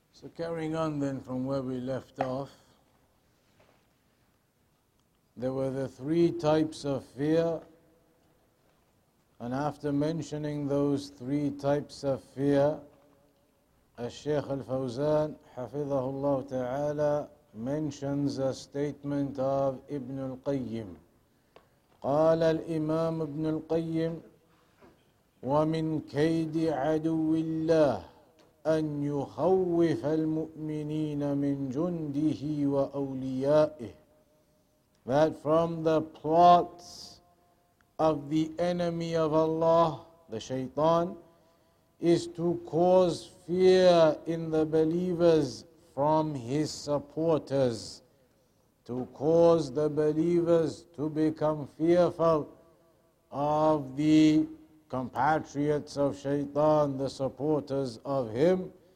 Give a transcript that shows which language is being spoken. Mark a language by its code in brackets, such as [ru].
[en] So carrying on then from where we left off, there were the three types of fear, and after mentioning those three types of fear, Al-Shaykh Al-Fawzan, Hafidhahullah Ta'ala, mentions a statement of Ibn Al-Qayyim. [ar] قال الإمام ابن القيم ومن كيد عدو الله أن يخوف المؤمنين من جنده وأوليائه. [en] That from the plots of the enemy of Allah, the shaitan, is to cause fear in the believers from his supporters, to cause the believers to become fearful of the compatriots of shaitan, the supporters of him.